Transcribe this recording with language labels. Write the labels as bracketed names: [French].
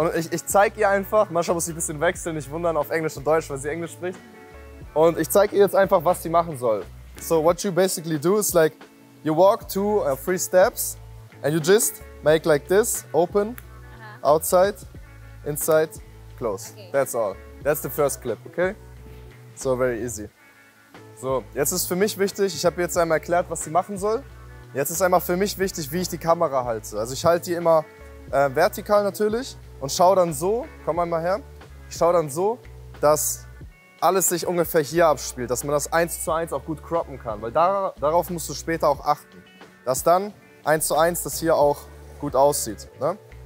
[German] Ich zeige ihr einfach, manchmal muss ich ein bisschen wechseln, nicht wundern auf Englisch und Deutsch, weil sie Englisch spricht. Und ich zeige ihr jetzt einfach, was sie machen soll. [English] So, what you basically do is like, you walk 2 or 3 steps and you just make like this, open, outside, inside, close. Okay. That's all. That's the first clip, okay? So, very easy. [German] So, jetzt ist für mich wichtig, ich habe ihr jetzt einmal erklärt, was sie machen soll. Jetzt ist einmal für mich wichtig, wie ich die Kamera halte. Also ich halte die immer vertikal natürlich und schaue dann so, komm einmal her, ich schaue dann so, dass alles sich ungefähr hier abspielt, dass man das 1:1 auch gut croppen kann, weil darauf musst du später auch achten, dass dann 1:1 das hier auch gut aussieht. Ne?